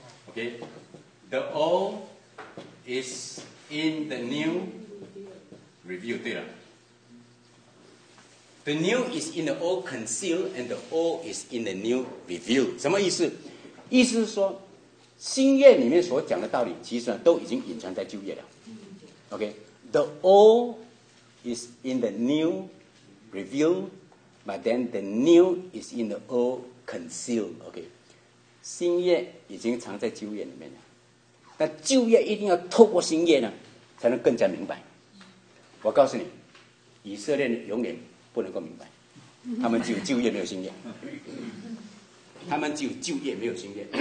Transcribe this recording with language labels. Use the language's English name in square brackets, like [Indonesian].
[English] Okay, the old is in the new review. [Chinese] 对了 [English] ，The new is in the old concealed, and the old is in the new review. [Chinese] 什么意思？意思是说，新约里面所讲的道理，其实都已经隐藏在旧约了。 [English] Okay, the old. Is in the new revealed, but then the new is in the old concealed. [Chinese] Okay, 新约已经藏在旧约里面了，但旧约一定要透过新约呢，才能更加明白。我告诉你，以色列永远不能够明白，他们只有旧约没有新约，他们只有旧约没有新约。